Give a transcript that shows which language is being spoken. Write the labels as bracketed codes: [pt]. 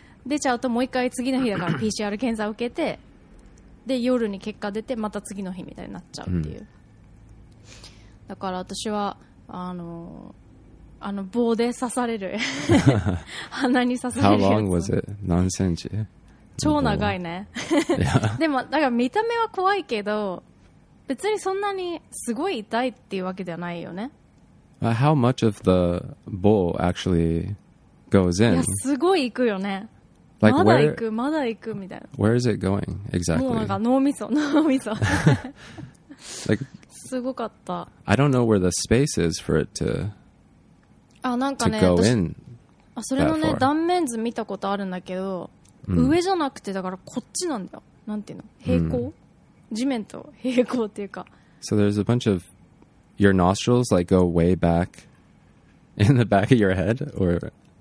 [ja] 出ちゃうともう一回次の日だから PCR 検査を受けて、で夜に結果出てまた次の日みたいになっちゃうっていう、うん、だから私はあの棒で刺される鼻に刺されるやつ。 [en] How long was it? [ja] 何センチ？超長いね。でもだから見た目は怖いけど、別にそんなにすごい痛いっていうわけではないよね。 [en] How much of the ball actually goes in? [ja] いやすごい行くよね。Like、まだ行く、まだ行くみたいな。 [en] Where is it going exactly? [ja] もうなんか脳みそ、脳みそ。 like, すごかった。 [en] I don't know where the space is for it to [ja] あなんか、ね、 [en] to go in。 [ja] あそれのね断面図見たことあるんだけど。うん、上じゃなくてだからこっちなんだよ、なんていうの、平行、うん、地面と平行っていうか、 [en] So there's a bunch of your nostrils like go way back in the back of your head or